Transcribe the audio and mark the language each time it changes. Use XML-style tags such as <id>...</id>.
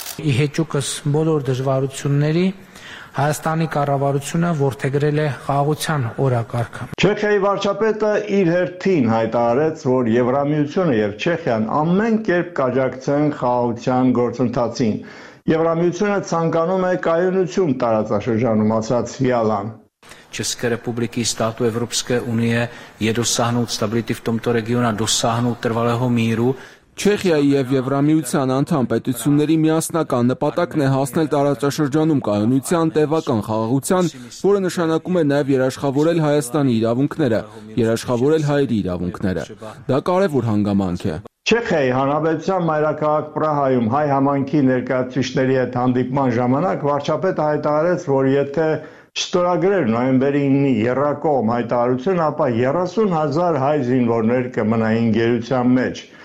<hy>Իհեճուկս բոլոր դժվարությունների Հայաստանի կառավարությունը որդեգրել է խաղաղության օրակարգը։ Չեխիայի վարչապետը իր հերթին հայտարարեց, որ Եվրամիությունը և Չեխիան ամեն կերպ կաջակցեն խաղաղության գործընթացին։ Եվրամիությունը ցանկանում է կայունություն տարածաշրջանում, ասաց Վիալան։</hy> <cs>České republiky, státu Evropské unie je dosáhnout stability v tomto regionu a dosáhnout trvalého míru.</cs> <hy>Չեխիայի և Եվրամիության անդամ պետությունների միասնական նպատակն է հասնել տարածաշրջանում կայունության տևական խաղաղության, որը նշանակում է նաև երաշխավորել Հայաստանի իրավունքները, երաշխավորել հայերի իրավունքները։ Դա կարևոր հանգամանք է։ Չեխիայի Հանրապետության մայրաքաղաք Պրահայում հայ համայնքի ներկայացուցիչների հետ հանդիպման ժամանակ վարչապետը հայտարարեց, որ եթե ստորագրեր նոյեմբերի 9-ի եռակողմ հայտարարություն, ապա 30,000 հայ զինվորներ կմնային գերության մեջ։</hy>